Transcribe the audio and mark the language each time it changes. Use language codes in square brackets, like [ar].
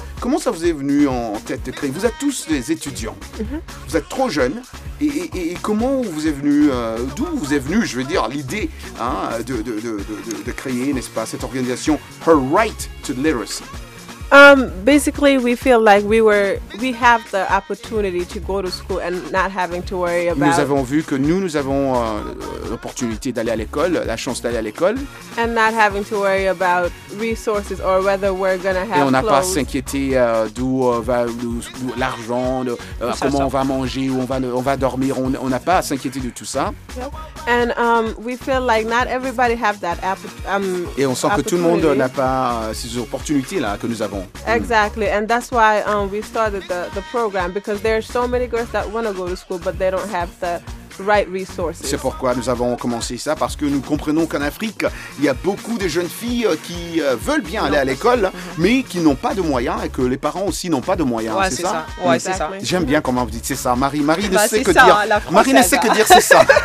[fr] Comment ça vous est venu en tête de créer? Vous êtes tous des étudiants. Mm-hmm. Vous êtes trop jeunes. Et comment vous est venu, d'où vous est venu, je veux dire, l'idée hein, de créer, n'est-ce pas, cette organisation Her Right to Literacy? [en] Basically, we feel like we have the opportunity to go to school and not having to worry about. [fr] Nous avons vu que nous avons l'opportunité d'aller à l'école, la chance d'aller à l'école. [en] And not having to worry about resources or whether we're gonna have. [fr] Et on n'a pas à s'inquiéter d'où va d'où l'argent, comment on va manger, où on va dormir. On n'a pas à s'inquiéter de tout ça. [en] Yep. And we feel like not everybody have that [fr] Et on sent que tout le monde n'a pas ces opportunités là que nous avons. [en] Exactly, and that's why we started the program because there are so many girls that want to go to school but they don't have the right resources. [fr] C'est pourquoi nous avons commencé ça parce que nous comprenons qu'en Afrique, il y a beaucoup de jeunes filles qui veulent bien aller à l'école mais qui n'ont pas de moyens et que les parents aussi n'ont pas de moyens, ouais, c'est ça? Ça. Ouais, [en] exactly. [fr] C'est ça. J'aime bien comment vous dites c'est ça, Marie. Bah, ne sait que ça, dire. Marie ne sait que dire c'est ça.